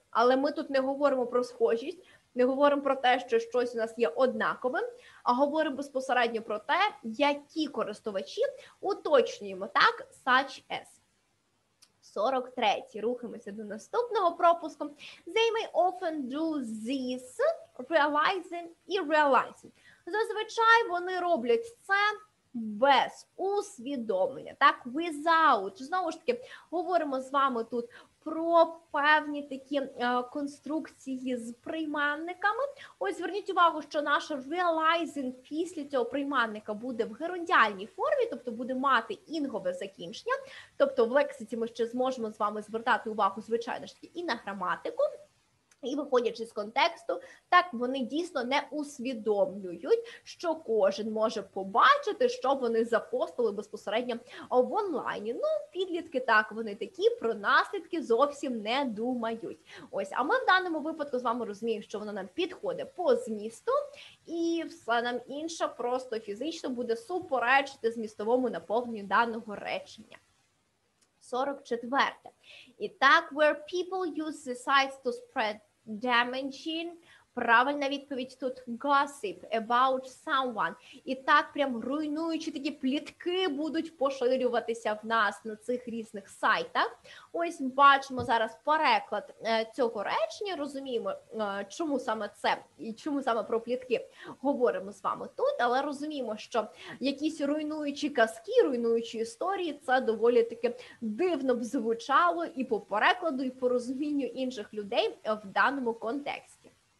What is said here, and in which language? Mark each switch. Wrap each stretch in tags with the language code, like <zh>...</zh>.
<uk>Але ми тут не говоримо про схожість, не говоримо про те, що щось у нас є однаковим, а говоримо безпосередньо про те, які користувачі уточнюємо, так,</uk> <en>such as.</en> <uk>43-й. Рухаємося до наступного пропуску.</uk> <en>They may often do this, realizing і realizing.</en> <uk>Зазвичай вони роблять це без усвідомлення, так, without. Знову ж таки, говоримо з вами тут про певні такі конструкції з прийманниками. Ось, зверніть увагу, що наше realizing після цього прийманника буде в герундіальній формі, тобто буде мати інгове закінчення. Тобто в лексиці ми ще зможемо з вами звертати увагу, звичайно ж таки, і на граматику. І виходячи з контексту, так вони дійсно не усвідомлюють, що кожен може побачити, що вони запостили безпосередньо в онлайні. Ну, підлітки так, вони такі, про наслідки зовсім не думають. Ось, а ми в даному випадку з вами розуміємо, що воно нам підходить по змісту, і все нам інше просто фізично буде суперечити змістовому наповненню даного речення. 44. І так,</uk> <en>where people use the sites to spread damaging.</en> <uk>Правильна відповідь тут</uk> <en>gossip about someone.</en> <uk>І так прям руйнуючи такі плітки будуть поширюватися в нас на цих різних сайтах. Ось бачимо зараз переклад цього речення, розуміємо, чому саме це і чому саме про плітки говоримо з вами тут, але розуміємо, що якісь руйнуючі казки, руйнуючі історії, це доволі таки дивно б звучало і по перекладу, і по розумінню інших людей в даному контексті.</uk>